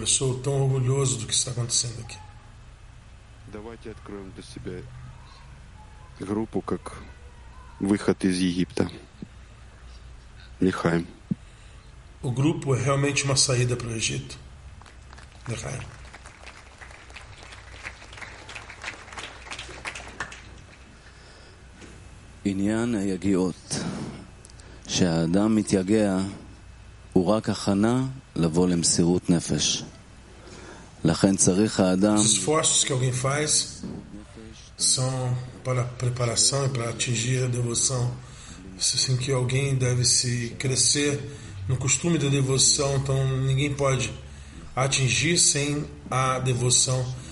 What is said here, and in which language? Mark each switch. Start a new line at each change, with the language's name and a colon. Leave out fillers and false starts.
Portuguese: Eu sou tão orgulhoso do que está acontecendo aqui.
Russian: Давайте откроем для себя группу как выход из Египта.
Hebrew: Лихаим.
Portuguese: O grupo é realmente uma saída para o Egito.
Hebrew: Lihaim. עניין היגיעות שהאדם מתייגע הוא רק הכנה לבוא למסירות נפש לכן צריך האדם
Portuguese: Os esforços que alguém faz são para preparação e para atingir a devoção. Assim que alguém deve se crescer no costume da devoção, então ninguém pode atingir sem a devoção.